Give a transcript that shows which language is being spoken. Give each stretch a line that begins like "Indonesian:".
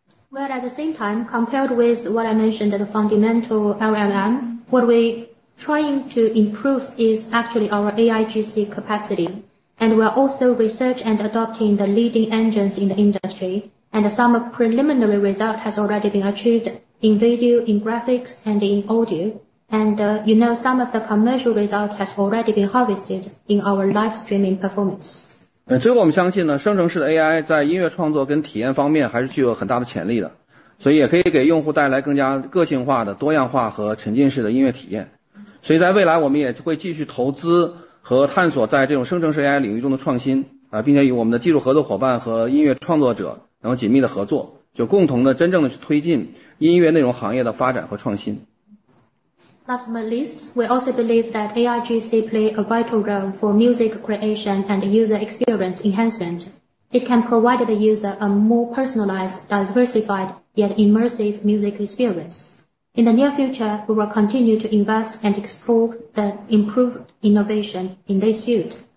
English: Well, at the same time, compared with what I mentioned, the fundamental LLM, what we're trying to improve is actually our AIGC capacity. And we're also researching and adopting the leading engines in the industry. And some preliminary result has already been achieved in video, in graphics, and in audio. And, you know, some of the commercial result has already been harvested in our live streaming performance.
Chinese: 最后我们相信呢，生成式的 AI 在音乐创作跟体验方面还是具有很大的潜力的，所以也可以给用户带来更加个性化的多样化和沉浸式的音乐体验。所以在未来我们也会继续投资和探索在这种生成式 AI 领域中的创新并且与我们的技术合作伙伴和音乐创作者能紧密的合作，就共同的真正的去推进音乐内容行业的发展和创新。
English: Last but not least, we also believe that AIGC play a vital role for music creation and user experience enhancement. It can provide the user a more personalized, diversified, yet immersive music experience. In the near future, we will continue to invest and explore the improved innovation in this field.